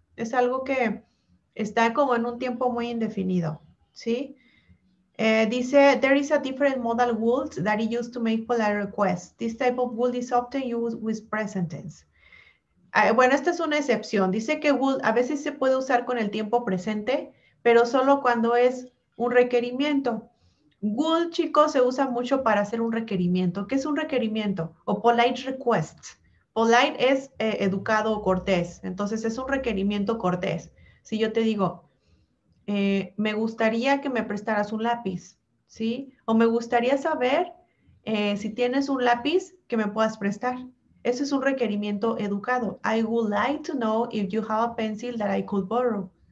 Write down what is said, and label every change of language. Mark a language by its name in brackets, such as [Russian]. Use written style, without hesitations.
[Spanish] Es algo que está como en un tiempo muy indefinido, ¿sí? [English] Dice, there is a different modal would that is used to make polite requests. This type of would is often used with present tense. [Spanish] Bueno, esta es una excepción. Dice que would a veces se puede usar con el tiempo presente, pero solo cuando es un requerimiento. Would, chicos, se usa mucho para hacer un requerimiento. ¿Qué es un requerimiento? O polite request. Polite es educado o cortés. Entonces, es un requerimiento cortés. Si yo te digo, me gustaría que me prestaras un lápiz, ¿sí? O me gustaría saber si tienes un lápiz que me puedas prestar. Ese es un requerimiento educado. [English] I would like to know if you have a pencil that I could borrow.